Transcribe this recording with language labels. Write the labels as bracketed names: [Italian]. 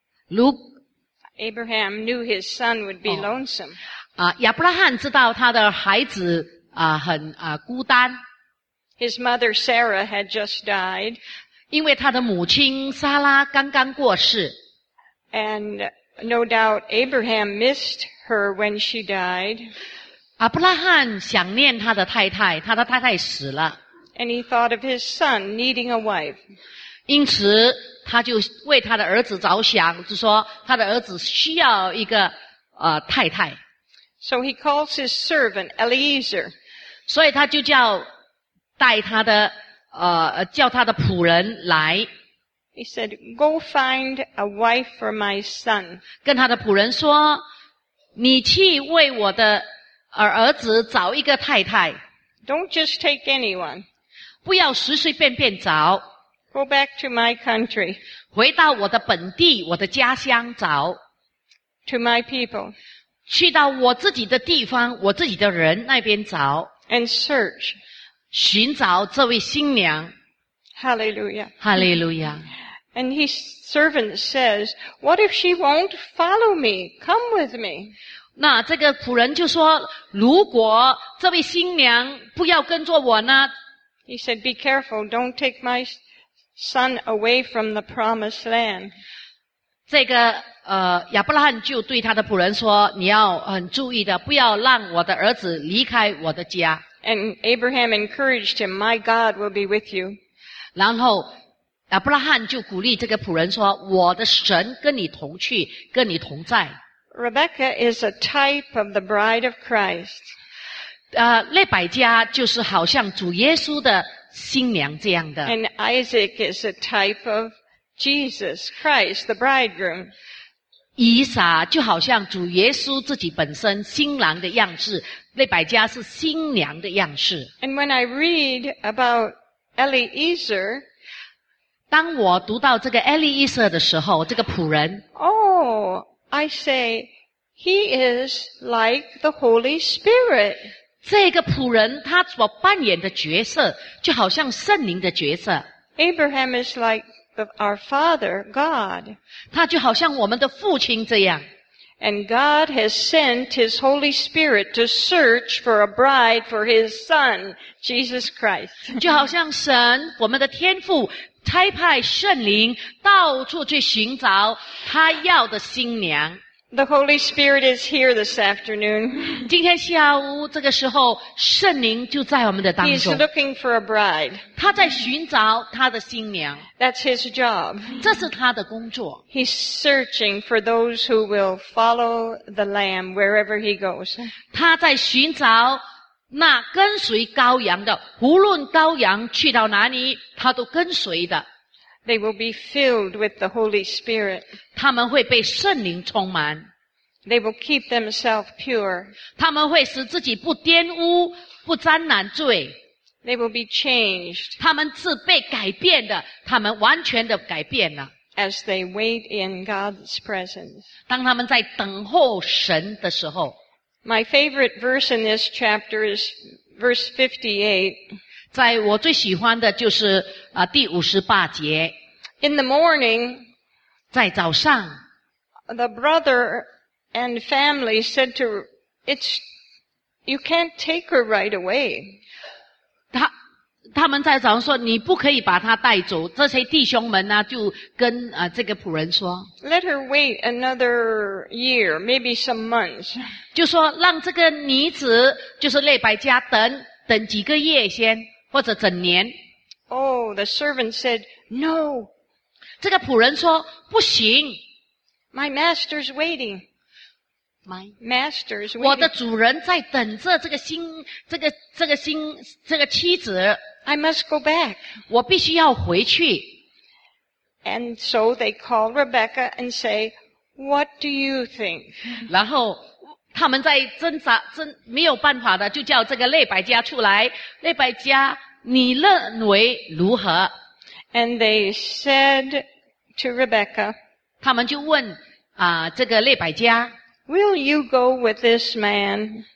[English] Luke. Abraham knew his son would be lonesome. [Chinese] 啊、亚伯拉罕知道他的孩子啊、很啊、孤单。 [English] His mother Sarah had just died. [Chinese] 因为他的母亲莎拉刚刚过世。 [English] And no doubt Abraham missed her when she died. [Chinese] 亚伯拉罕想念他的太太，他的太太死了。 [English] And he thought of his son needing a wife. [Chinese] 因此他就为他的儿子着想，就说他的儿子需要一个太太。 [English] So he calls his servant Eliezer. [Chinese] 所以他就叫带他的叫他的仆人来。 [English] He said, go find a wife for my son. [Chinese] 跟他的仆人说，你去为我的儿子找一个太太。 [English] Don't just take anyone. [Chinese] 不要随随便便找。 [English] Go back to my country. [Chinese] 回到我的本地，我的家乡找。 [English] To my people. [Chinese] 去到我自己的地方，我自己的人那边找。 [English] And search. [Chinese] 寻找这位新娘。 [English] Hallelujah. Hallelujah. And his servant says, what if she won't follow me? Come with me. [Chinese] 那这个仆人就说，如果这位新娘不要跟着我呢？ [English] He said, be careful, don't take my son away from the promised land. [Chinese] 这个亚伯拉罕就对他的仆人说，你要很注意的，不要让我的儿子离开我的家。 [English] And Abraham encouraged him, my God will be with you. [Chinese] 然后亚伯拉罕就鼓励这个仆人说，我的神跟你同去，跟你同在。 [English] Rebecca is a type of the bride of Christ. [Chinese] 勒百加就是好像主耶稣的新娘这样的。 [English] And Isaac is a type of Jesus Christ, the bridegroom. [Chinese] 以撒就好像主耶稣自己本身新郎的样式，勒百加是新娘的样式。 [English] And when I read about Eliezer, [Chinese] 当我读到这个 Eliezer 的时候，这个仆人 [English] ，Oh, I say, he is like the Holy Spirit. [Chinese] 这个仆人他所扮演的角色就好像圣灵的角色。 [English] Abraham is like our father, God. [Chinese] 他就好像我们的父亲这样。 [English] And God has sent his Holy Spirit to search for a bride for his son, Jesus Christ. [Chinese] 就好像神，我们的天父，差派圣灵到处去寻找他要的新娘。 [English] The Holy Spirit is here this afternoon. [Chinese] 今天下午这个时候，圣灵就在我们的当中。 [English] He's looking for a bride. [Chinese] 他在寻找他的新娘。 [English] That's his job. [Chinese] 这是他的工作。 [English] He's searching for those who will follow the Lamb wherever he goes. [Chinese] 他在寻找那跟随羔羊的，无论羔羊去到哪里，他都跟随的。 [English] They will be filled with the Holy Spirit. [Chinese] 他们会被圣灵充满。 [English] They will keep themselves pure. [Chinese] 他们会使自己不玷污，不沾染罪。 [English] They will be changed. [Chinese] 他们是被改变的，他们完全的改变了。 [English] As they wait in God's presence. [Chinese] 当他们在等候神的时候。 [English] My favorite verse in this chapter is verse 58. [Chinese] 在我最喜欢的就是第58节。 [English] In the morning, [Chinese] 在早上 [English] the brother and family said to it's you can't take her right away. [Chinese] 他们在早上说你不可以把他带走，这些弟兄们呢就跟这个仆人说 [English] Let her wait another year, maybe some months. [Chinese] 就说让这个女子就是列白家等等几个月先或者整年。 [English] Oh, the servant said, no. [Chinese] 这个仆人说不行。 [English] My master's waiting. [Chinese] Masters, 我的主人在等着这个妻子。 [English] I must go back. [Chinese] 我必须要回去。 [English] And so they call Rebecca and say, "What do you think?" [Chinese] 然后他们在挣扎，没有办法的，就叫这个列百加出来。列百加，你认为如何 [English] ？And they said to Rebecca. [Chinese] 他们就问这个列百加。 [English] Will you go with this man?